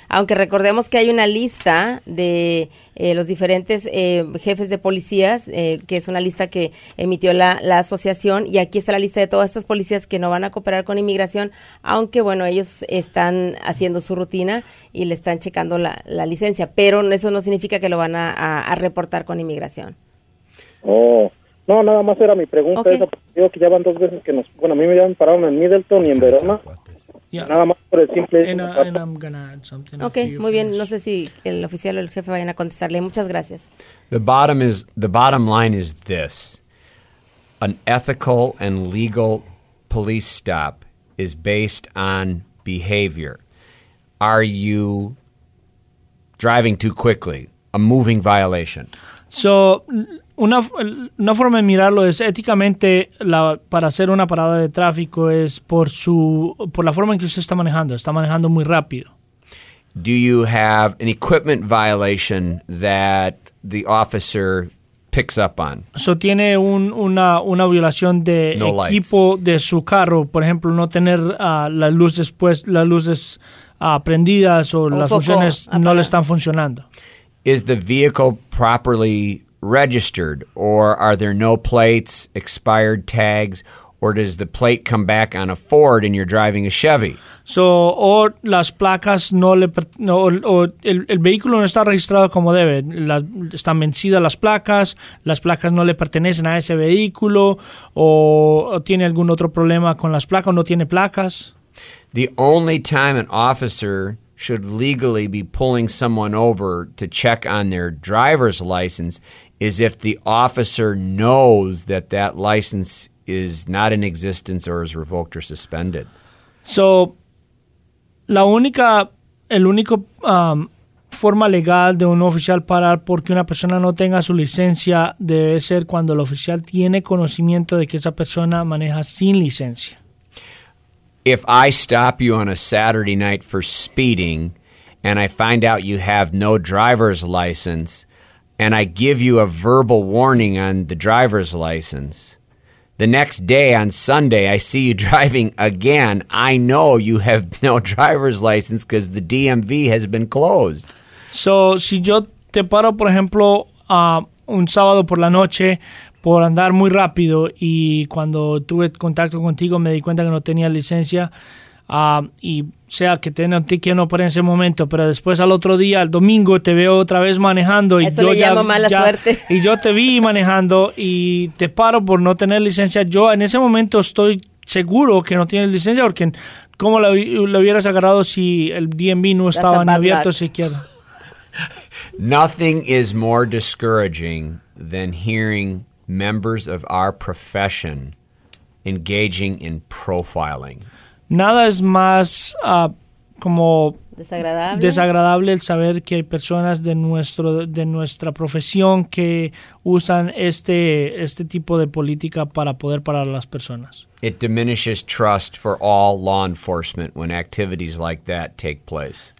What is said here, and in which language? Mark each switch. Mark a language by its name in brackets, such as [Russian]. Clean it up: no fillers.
[Spanish] Aunque recordemos que hay una lista de los diferentes jefes de policías, que es una lista que emitió la asociación, y aquí está la lista de todas estas policías que no van a cooperar con inmigración, aunque bueno, ellos están haciendo su rutina y le están checando la licencia, pero eso no significa que lo van a reportar con inmigración. Oh. No, nada más era mi pregunta. Okay. Esa, digo que ya van dos veces que nos... Bueno, a mí me habían parado en Middleton y en Verona. Yeah. Nada más por el simple... Ok, muy bien. No sé si el oficial o el jefe vayan a contestarle. Muchas gracias. [English] The bottom line is this. An ethical and legal police stop is based on behavior. Are you driving too quickly, a moving violation. So, [Spanish] una forma de mirarlo es éticamente la para hacer una parada de tráfico es por la forma en que usted está manejando muy rápido. [English] Do you have an equipment violation that the officer picks up on? So [Spanish] tiene una violación de no equipo lights. De su carro, por ejemplo, no tener las luces prendidas o las funciones no le están funcionando. [English] Is the vehicle properly registered, or are there no plates, expired tags, or does the plate come back on a Ford and you're driving a Chevy? So, or [Spanish] las placas no le, no, o el vehículo no está registrado como debe. Están vencidas las placas no le pertenecen a ese vehículo, o tiene algún otro problema con las placas, o no tiene placas. [English] The only time an officer should legally be pulling someone over to check on their driver's license is if the officer knows that that license is not in existence or is revoked or suspended. So, [Spanish] el único forma legal de un oficial parar porque una persona no tenga su licencia debe ser cuando el oficial tiene conocimiento de que esa persona maneja sin licencia. [English] If I stop you on a Saturday night for speeding and I find out you have no driver's license and I give you a verbal warning on the driver's license, the next day on Sunday I see you driving again, I know you have no driver's license because the DMV has been closed. So, [Spanish] si yo te paro, por ejemplo, un sábado por la noche, por andar muy rápido y cuando tuve contacto contigo me di cuenta que no tenía licencia y sea que tenga un ticket o no por ese momento, pero después al otro día, el domingo, te veo otra vez manejando. Eso y yo le llamo mala suerte. Y yo te vi manejando y te paro por no tener licencia. Yo en ese momento estoy seguro que no tienes licencia porque ¿cómo la hubieras agarrado si el DMV no estaba ni abierto siquiera? [English] Nothing is more discouraging than hearing members of our profession engaging in profiling. [Spanish] Nada es más como desagradable el saber que hay personas de nuestra profesión que usan este tipo de política para poder parar a las personas. [English] It diminishes trust for all law enforcement when activities like that take place.